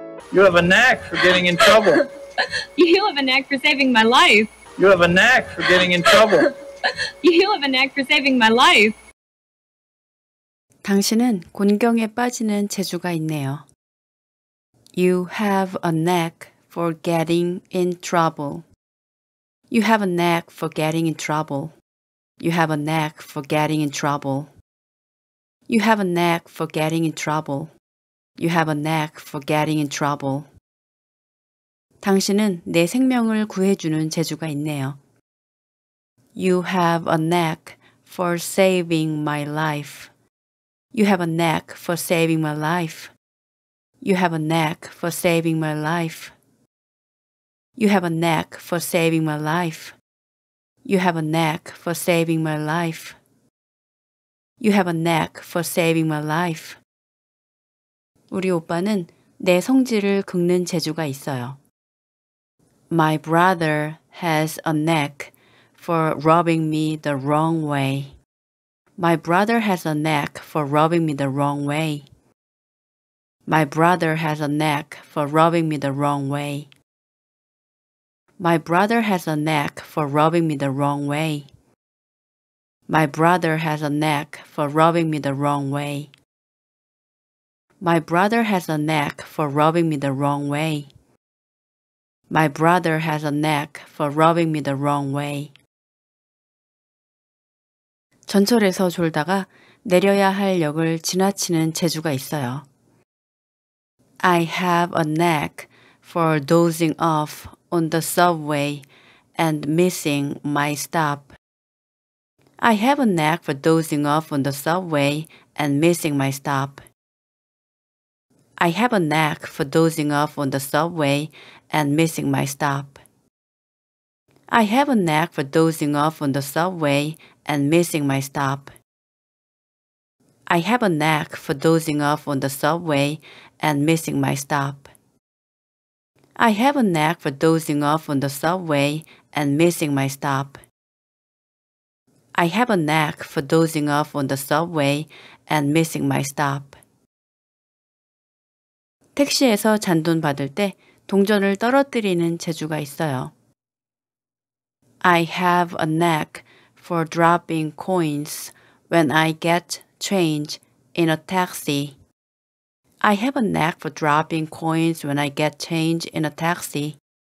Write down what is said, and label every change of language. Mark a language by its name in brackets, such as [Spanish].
[English] You have a knack for getting in trouble. You have a knack for saving my life. You have a knack for getting in trouble. You have a knack for saving my life. [Korean] 당신은 곤경에 빠지는 재주가 있네요. [English] You have a knack for getting in trouble. You have a knack for getting in trouble. You have a knack for getting in trouble. You have a knack for getting in trouble. You have a knack for getting in trouble. [Korean] 당신은 내 생명을 구해주는 재주가 있네요. [English] You have a knack for saving my life. You have a knack for saving my life. You have a knack for saving my life. You have a knack for saving my life. You have a knack for saving my life. You have a knack for saving my life. [Korean] 우리 오빠는 내 성질을 긁는 재주가 있어요. [English] My brother has a knack for rubbing me the wrong way. My brother has a knack for rubbing me the wrong way. My brother has a knack for rubbing me the wrong way. My brother has a knack for rubbing me the wrong way. My brother has a knack for rubbing me the wrong way. My brother has a knack for rubbing me the wrong way. My brother has a knack for rubbing me the wrong way. [Korean] 전철에서 졸다가 내려야 할 역을 지나치는 재주가 있어요. [English] I have a knack for dozing off on the subway and missing my stop. I have a knack for dozing off on the subway and missing my stop. I have a knack for dozing off on the subway and missing my stop. I have a knack for dozing off on the subway and missing my stop. I have a knack for dozing off on the subway and missing my stop. I have a knack for dozing off on the subway and missing my stop. I have a knack for dozing off on the subway and missing my stop. [Korean] 택시에서 잔돈 받을 때 동전을 떨어뜨리는 재주가 있어요. [English] I have a knack for dropping coins when I get change in a taxi. I have a knack for dropping coins when I get change in a taxi.